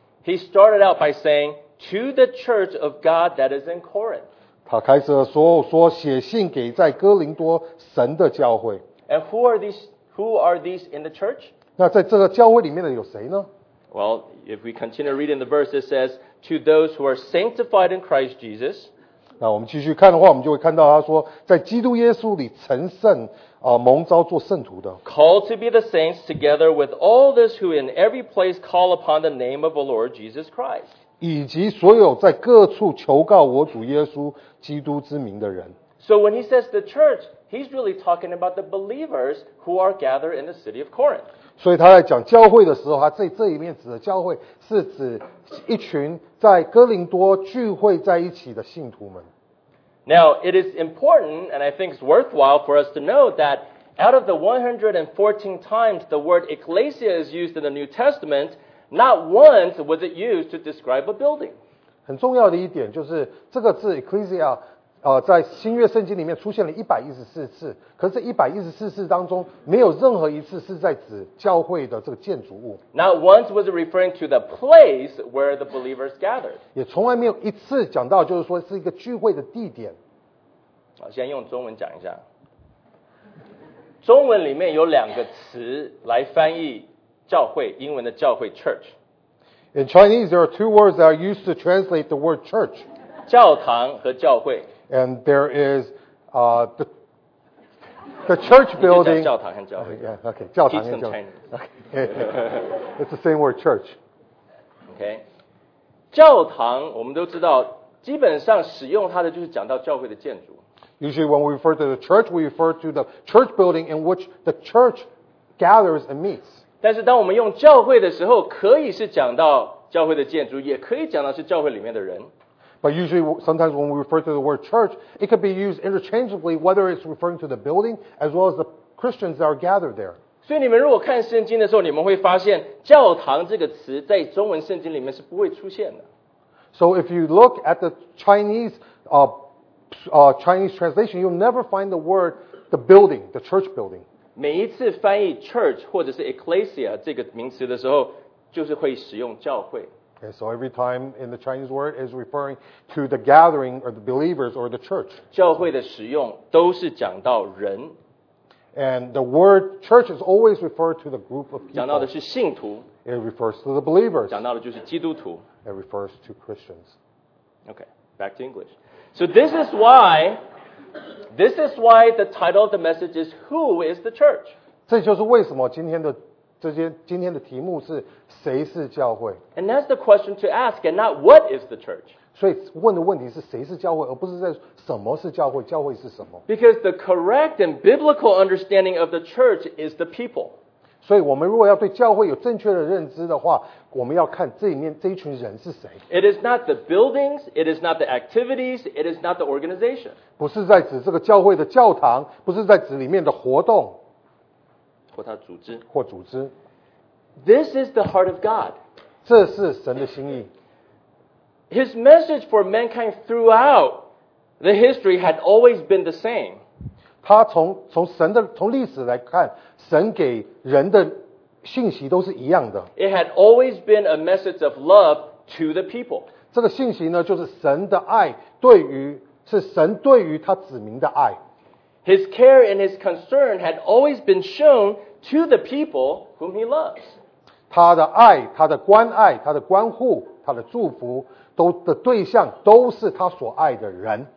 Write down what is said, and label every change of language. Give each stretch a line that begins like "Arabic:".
English: He started out by saying to the church of God that is in Corinth.
Chinese: 他开始的时候说写信给在哥林多神的教会。
English: And who are these in the church?
Chinese: 那在这个教会里面的有谁呢？
English: Well, if we continue reading the verse, it says to those who are sanctified in Christ Jesus.
Chinese: 那我们继续看的话，我们就会看到他说在基督耶稣里成圣。蒙召做圣徒的。
English: Called to be the saints together with all those who in every place call upon the name of the Lord Jesus Christ.
Chinese: 以及所有在各处求告我主耶稣基督之名的人。
English: So when he says the church, he's really talking about the believers who are gathered in the city of Corinth.
Chinese: 所以他在讲教会的时候，他这一面指的教会是指一群在哥林多聚会在一起的信徒们。
English: Now, it is important, and I think it's worthwhile for us to know that out of the 114 times the word ecclesia is used in the New Testament, not once was it used to describe a building.
Chinese: 很重要的一点就是这个字 ecclesia 在新约圣经里面出现了114次，可是114次当中没有任何一次是在指教会的这个建筑物。
English: Not once was it referring to the place where the believers gathered.
Chinese: 也从来没有一次讲到就是说是一个聚会的地点。我先用中文讲一下。中文里面有两个词来翻译教会，英文的教会 church。
English: In Chinese, there are two words that are used to translate the word church.
Chinese: 教堂和教会。
English: And there is the church building.
Chinese: 教堂和教会。 Yeah, okay. 教堂和教会。 Okay.
English: It's the same word, church. Okay.
Chinese: 教堂我们都知道，基本上使用它的就是讲到教会的建筑。
English: Usually, when we refer to the church, we refer to the church building in which the church gathers and meets.
Chinese: 但是当我们用教会的时候，可以是讲到教会的建筑，也可以讲到是教会里面的人。
English: But usually, sometimes when we refer to the word church, it could be used interchangeably, whether it's referring to the building as well as the Christians that are gathered there.
Chinese: 所以你们如果看圣经的时候，你们会发现教堂这个词在中文圣经里面是不会出现的。
English: So if you look at the Chinese translation, you'll never find the word the building, the church building.
Chinese: 每一次翻译 church 或者是 ecclesia 这个名词的时候，就是会使用教会。
English: Okay, so every time in the Chinese word is referring to the gathering or the believers or the church.
Chinese: 教会的使用都是讲到人。
English: And the word church is always referred to the group of people.
Chinese: 讲到的是信徒。
English: It refers to the believers.
Chinese: 讲到的就是基督徒。
English: It refers to Christians. Okay, back to English. So this is why the title of the message is Who is the Church?
Chinese: 这就是为什么今天的今天的题目是谁是教会?
English: And that's the question to ask, and not what is the church.
Chinese: 所以问的问题是谁是教会, 而不是在什么是教会, 教会是什么?
English: Because the correct and biblical understanding of the church is the people.
Chinese: 所以我们如果要对教会有正确的认知的话, 我们要看这里面这一群人是谁?
English: It is not the buildings, it is not the activities, it is not the organization.
Chinese: 不是在指这个教会的教堂, 不是在指里面的活动, 或他组织, 或组织。
English: This is the heart of God.
Chinese: 这是神的心意。
English: His message for mankind throughout the history had always been the same.
Chinese: 他从历史来看, 神给人的信息都是一样的。
English: It had always been a message of love to the people.
Chinese: 这个信息呢, 就是神的爱, 对于, 是神对于他子民的爱。
English: His care and his concern had always been shown to the people whom he loves.
Chinese: 他的爱, 他的关爱, 他的关护, 他的祝福, 都的对象都是他所爱的人。